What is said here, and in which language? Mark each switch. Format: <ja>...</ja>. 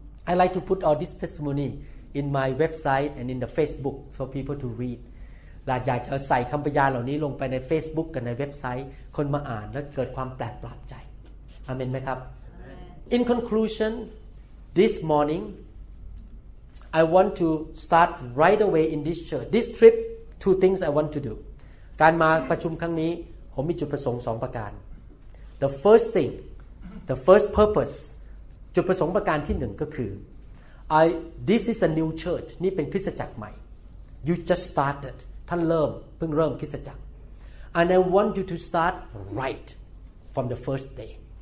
<en>I like to put all this testimony in my website and in the Facebook for people to read</en> <th>อยากจะใส่คำพยานเหล่านี้ลงไปใน Facebook กับในเว็บไซต์คนมาอ่านและเกิดความแปลกประหลาดใจอาเมนไหมครับ</th> <en>In conclusion, this morning, I want to start right away in this church. This trip, two things I want to do.</en> <th>การมาประชุมครั้งนี้ผมมีจุดประสงค์สองประการ</th> <en>The first thing, the first purpose,</en> <th>จุดประสงค์ประการที่หนึ่งก็คือ</th> <en>This is a new church.</en> <th>นี่เป็นคริสตจักรใหม่</th> <en>You just started.</en> <th>ท่านเริ่มเพิ่งเริ่มคริสตจักร</th> <en>And I want you to start right from the first day.</en>